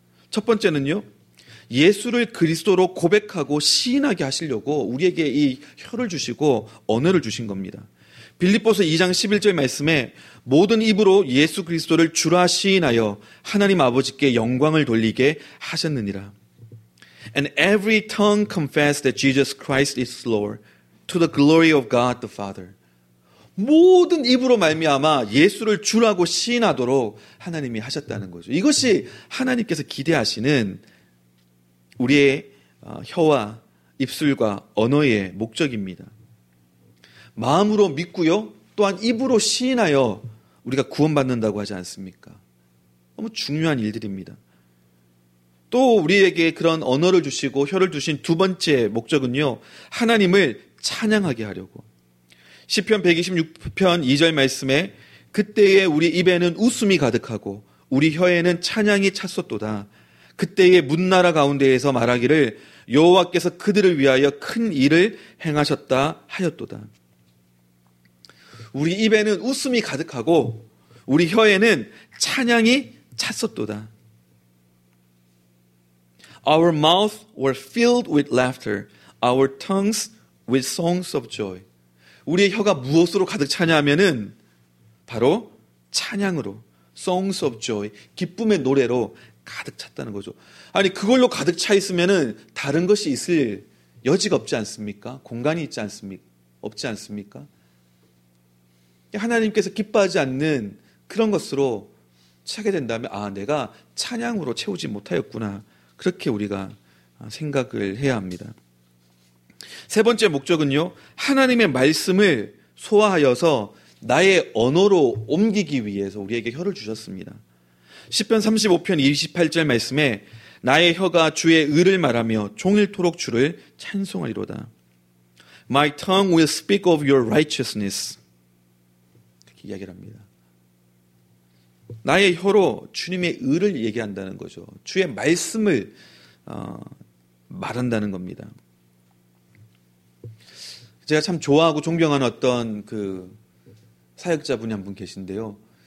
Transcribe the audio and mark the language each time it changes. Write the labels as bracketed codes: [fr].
[ko] 첫 번째는요, 예수를 그리스도로 고백하고 시인하게 하시려고 우리에게 이 혀를 주시고 언어를 주신 겁니다. 빌립보서 2장 11절 말씀에 모든 입으로 예수 그리스도를 주라 시인하여 하나님 아버지께 영광을 돌리게 하셨느니라. [en] And every tongue confess that Jesus Christ is Lord to the glory of God the Father. [ko] 모든 입으로 말미암아 예수를 주라고 시인하도록 하나님이 하셨다는 거죠. 이것이 하나님께서 기대하시는 우리의 혀와 입술과 언어의 목적입니다. 마음으로 믿고요, 또한 입으로 시인하여 우리가 구원받는다고 하지 않습니까? 너무 중요한 일들입니다. 또 우리에게 그런 언어를 주시고 혀를 주신 두 번째 목적은요, 하나님을 찬양하게 하려고. 시편 126편 2절 말씀에 그때에 우리 입에는 웃음이 가득하고 우리 혀에는 찬양이 찼었도다. 그때에 문나라 가운데에서 말하기를 여호와께서 그들을 위하여 큰 일을 행하셨다 하였도다. 우리 입에는 웃음이 가득하고 우리 혀에는 찬양이 찼었도다. [en] Our mouth were filled with laughter, our tongues with songs of joy. [ko] 우리의 혀가 무엇으로 가득 차냐 하면은 바로 찬양으로, [en] songs of joy, [ko] 기쁨의 노래로 가득 찼다는 거죠. 아니, 그걸로 가득 차 있으면은 다른 것이 있을 여지가 없지 않습니까? 공간이 있지 않습니까? 없지 않습니까? 하나님께서 기뻐하지 않는 그런 것으로 차게 된다면, 아, 내가 찬양으로 채우지 못하였구나. 그렇게 우리가 생각을 해야 합니다. 세 번째 목적은요, 하나님의 말씀을 소화하여서 나의 언어로 옮기기 위해서 우리에게 혀를 주셨습니다. 시편 35편 28절 말씀에 나의 혀가 주의 의를 말하며 종일토록 주를 찬송하리로다. [en] My tongue will speak of your righteousness. [ko] 이렇게 이야기를 합니다. 나의 혀로 주님의 의를 얘기한다는 거죠. 주의 말씀을 말한다는 겁니다. 제가 참 좋아하고 존경하는 어떤 그 사역자분이 한 분 계신데요.